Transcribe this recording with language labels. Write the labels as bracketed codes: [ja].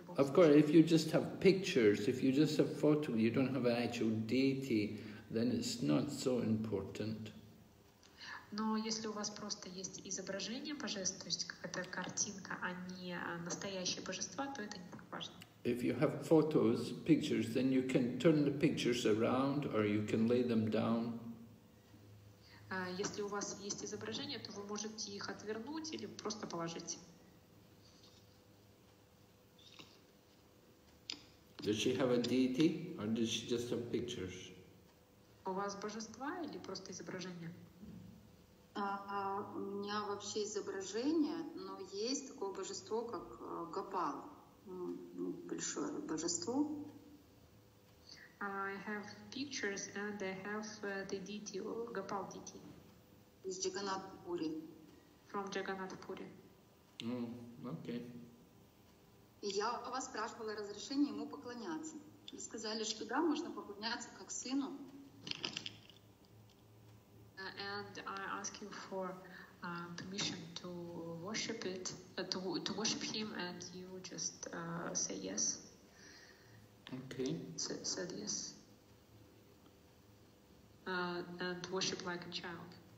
[en] Of course, if you just have pictures, if you just have photo, you don't have an actual deity, then it's not so important. [ru] Но если у вас просто есть изображение божеств, то есть какая-то картинка, а не настоящее божество, то это не так важно. [en] If you have photos, pictures, then you can turn the pictures around or you can lay them down. [ru] Если у вас есть изображение, то вы можете их отвернуть или просто положить. [en] Does she have a deity, or does she just have pictures? [ru] У вас божества или просто изображение? У меня вообще изображение, но есть такое божество, как Гопал. Большое божество. [en] I have pictures and I have the deity, Gopal deity. [ru] Из Джаганнатха Пури. [en] From Джаганнатха Пури. Okay. [ru] И я у вас спрашивала разрешение ему поклоняться. Вы сказали, что да, можно поклоняться как сыну. [en] And I ask you for permission to worship it, to worship him, and you just say yes. Okay. Said yes. And worship like a child.